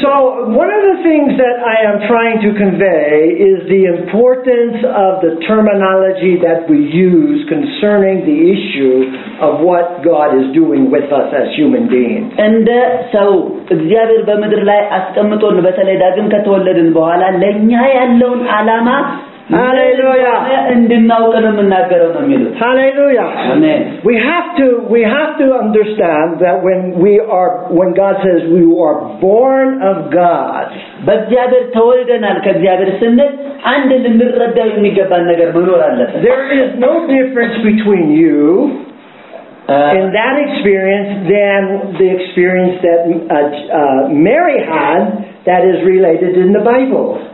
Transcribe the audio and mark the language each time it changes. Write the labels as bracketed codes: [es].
[en] So one of the things that I am trying to convey is the importance of the terminology that we use concerning the issue of what God is doing with us as human beings. And so [am] እግዚአብሔር በመድር ላይ አስቀምጦን በተለይ ዳግም ከተወለድን በኋላ ለኛ ያለውን ዓላማ [en] Hallelujah. Hallelujah. We have to understand that when God says we are born of God. There is no difference between you in that experience than the experience that Mary had that is related in the Bible.